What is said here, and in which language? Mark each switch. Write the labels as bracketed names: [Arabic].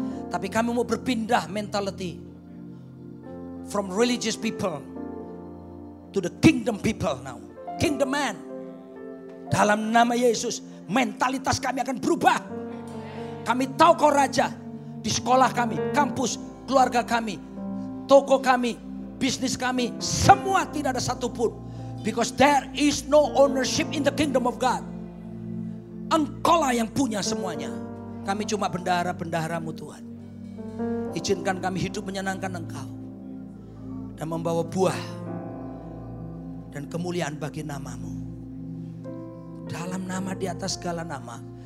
[Indonesian] Tapi kami mau berpindah [English] mentality from religious people to the kingdom people now. Kingdom man. [Indonesian] Dalam nama Yesus, mentalitas kami akan berubah. Kami tahu kau raja di sekolah kami, kampus, keluarga kami, toko kami, bisnis kami, semua tidak ada satupun. [English] Because there is no ownership in the kingdom of God. [Indonesian] Engkaulah yang punya semuanya. Kami cuma bendahara-bendaharamu Tuhan. Izinkan kami hidup menyenangkan Engkau. Dan membawa buah. Dan kemuliaan bagi namamu. Dalam nama di atas segala nama.